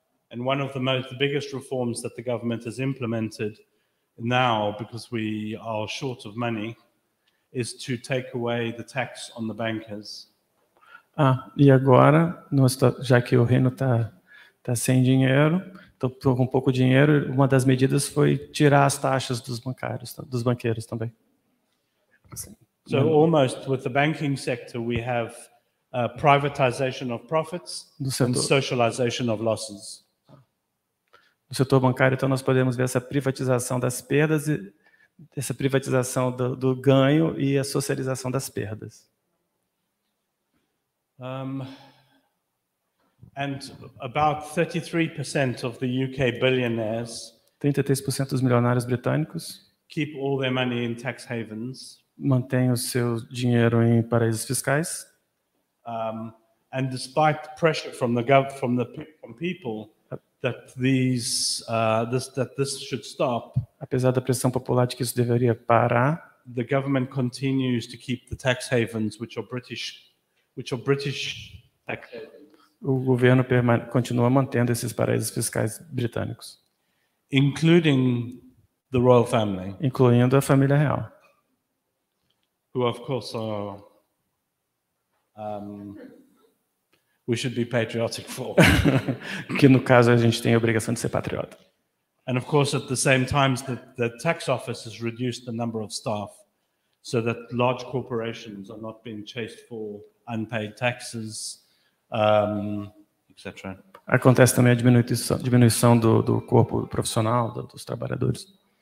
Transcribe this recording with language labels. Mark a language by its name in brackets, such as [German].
[English] And one of the biggest reforms that the government has implemented now, because we are short of money, is to take away the tax on the bankers. [Portuguese] Ah, e agora, já que o Reino tá sem dinheiro, estou com pouco dinheiro, uma das medidas foi tirar as taxas dos banqueiros também. [English] So almost with the banking sector we have privatization of profits and socialization of losses. [Portuguese] No setor bancário então nós podemos ver essa privatização das perdas e essa privatização do ganho e a socialização das perdas. [English] And about 33% of the UK billionaires [Portuguese] 33% dos milionários britânicos [English] keep all their money in tax havens. [Portuguese] Mantém o seu dinheiro em paraísos fiscais. [English] And despite the pressure from people that this should stop. [Portuguese] Apesar da pressão popular de que isso deveria parar, [English] the government continues to keep the tax havens which are British tax havens. [Portuguese] O governo continua mantendo esses paraísos fiscais britânicos. [English] Including the royal family. [Portuguese] Incluindo a família real. [English] Who of course are we should be patriotic for. [Portuguese] Que no caso a gente tem a obrigação de ser patriota. [English] And of course at the same time the tax office has reduced the number of staff so that large corporations are not being chased for unpaid taxes, etc. [Portuguese] Acontece também a diminuição do corpo profissional, dos trabalhadores.